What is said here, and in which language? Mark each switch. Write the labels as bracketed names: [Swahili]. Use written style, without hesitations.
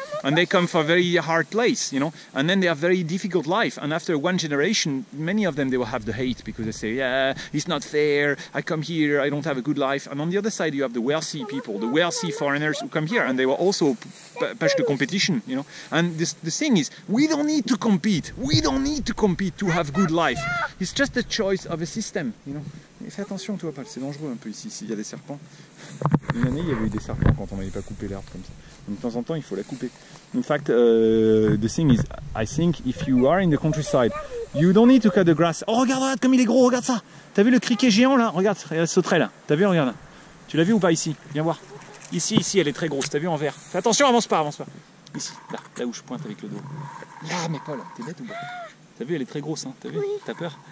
[English] and they come from a very hard place, you know, and then they have very difficult life, and after one generation, many of them, they will have the hate, because they say, yeah, it's not fair, I come here, I don't have a good life, and on the other side, you have the wealthy people, the wealthy foreigners who come here, and they will also push the competition, you know, and the thing is, we don't need to compete to have good life, it's just a choice of a system, you know. [French] Et fais attention toi, Paul, c'est dangereux un peu ici, s'il y a des serpents. Une année, il y avait eu des serpents quand on n'avait pas coupé l'herbe comme ça. Donc, de temps en temps, il faut la couper. [English] In fact, the thing is, I think if you are in the countryside, you don't need to cut the grass. [French] Oh, regarde, regarde comme il est gros, regarde ça. T'as vu le criquet géant là? Regarde, il y a la sauterelle là. T'as vu, regarde. Tu l'as vu ou pas ici? Viens voir. Ici, ici, elle est très grosse. T'as vu en vert? Fais attention, avance pas. Ici, là, là où je pointe avec le doigt. Là, mais Paul, t'es bête ou pas? T'as vu, elle est très grosse, hein, t'as vu? Oui. T'as peur?